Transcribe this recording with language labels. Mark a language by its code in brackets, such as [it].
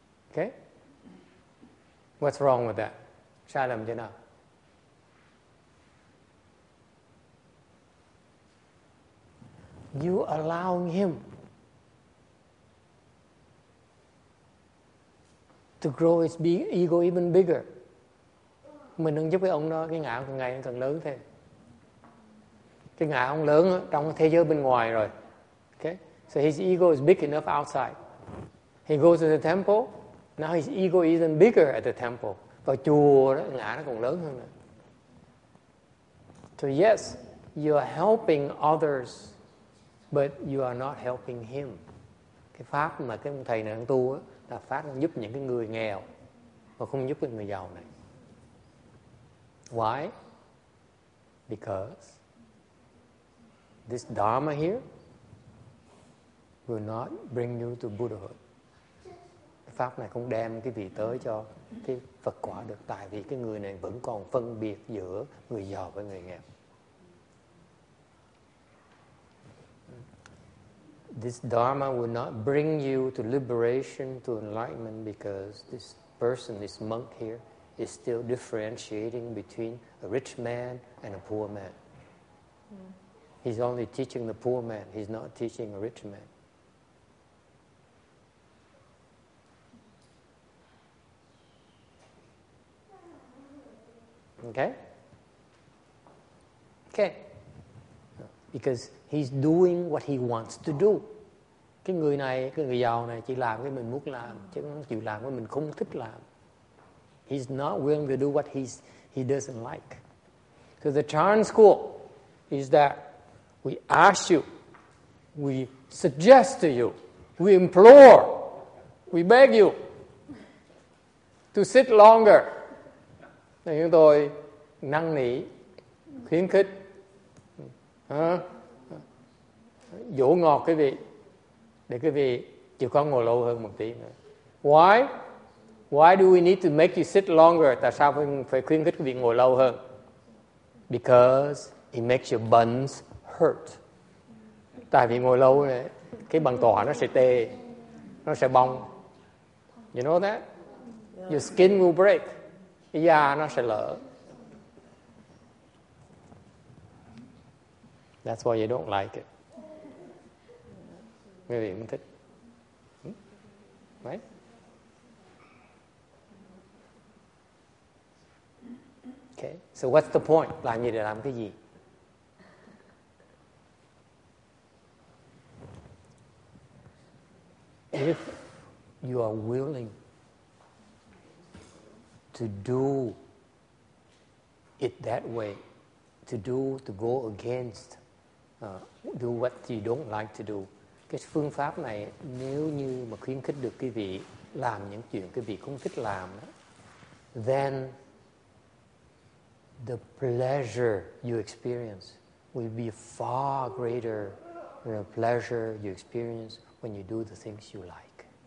[en] Okay? What's wrong with that? [vi] Sai lầm chỗ nào? [en] You allowing him to grow his ego even bigger. [vi] Mình đang giúp cái ông đó, cái ngã càng ngày càng lớn thêm. Cái ngã ông lớn trong thế giới bên ngoài rồi. [en] Okay? So his ego is big enough outside. He goes to the temple. Now his ego is even bigger at the temple. [vi] Và chùa đó, ngã nó còn lớn hơn nữa. [en] So yes, you are helping others, but you are not helping him. [vi] Cái pháp mà cái ông thầy này đang tu đó, là pháp đang giúp những cái người nghèo mà không giúp cái người giàu này. [en] Why? Because this Dharma here will not bring you to Buddhahood. [vi] Pháp này không đem cái vị tới cho cái Phật quả được, tại vì cái người này vẫn còn phân biệt giữa người giàu với người nghèo. [en] This Dharma will not bring you to liberation, to enlightenment, because this person, this monk here, is still differentiating between a rich man and a poor man. He's only teaching the poor man, he's not teaching a rich man. Okay. Because he's doing what he wants to do. [vi] Cái người này, cái người giàu này chỉ làm cái mình muốn làm, chứ không chịu làm cái mình không thích làm. [en] He's not willing to do what he doesn't like. So the Chan school is that we ask you, we suggest to you, we implore, we beg you to sit longer. [vi] Chúng tôi năn nỉ, khuyến khích, Dỗ ngọt quý vị, để quý vị chịu khó ngồi lâu hơn một tí nữa. [en] Why? Why do we need to make you sit longer? [vi] Tại sao phải khuyến khích quý vị ngồi lâu hơn? [en] Because it makes your buns hurt. [vi] Tại vì ngồi lâu này, cái bần tỏa nó sẽ tê, nó sẽ bong. [en] You know that? Your skin will break. [vi] Cái da nó sẽ lở. [en] That's why you don't like it. [vi] Quý vị không thích. [en] Right? Okay. So what's the point? [vi] Làm gì để làm cái gì? [en] If you are willing to do it that way, to go against, do what you don't like to do. [vi] Cái phương pháp này nếu như mà khuyến khích được quý vị làm những chuyện quý vị không thích làm, [en] then the pleasure you experience will be far greater than the pleasure you experience when you do the things you like.